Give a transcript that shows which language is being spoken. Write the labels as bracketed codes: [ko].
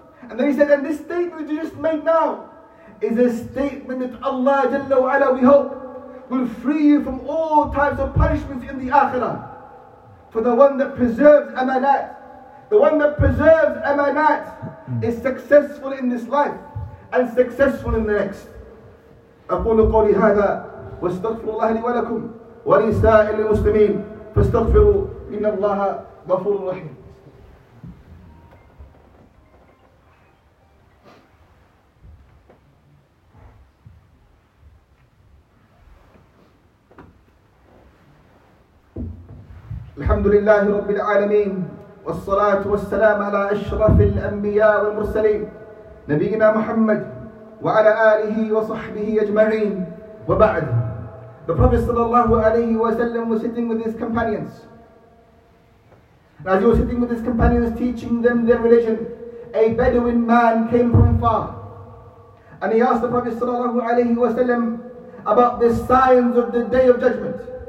[en] And then he said, and this statement that you just made now is a statement that Allah Jalla wa'ala, we hope, will free you from all types of punishments in the Akhirah. For the one that preserves Amaanaat, the one that preserves Amaanaat is successful in this life and successful in the next. [ar] أقول قولي هذا واستغفر الله لي ولكم ولسائر المسلمين فاستغفروا إن الله غفور رحيم. الحمد لله رب العالمين والصلاة والسلام على أشرف الأنبياء والمرسلين نبينا محمد وعلى آله وصحبه أجمعين وبعد. [en] The Prophet sallallahu alayhi wa sallam was sitting with his companions. And as he was sitting with his companions teaching them their religion, a Bedouin man came from far. And he asked the Prophet sallallahu alayhi wa sallam about the signs of the Day of Judgment.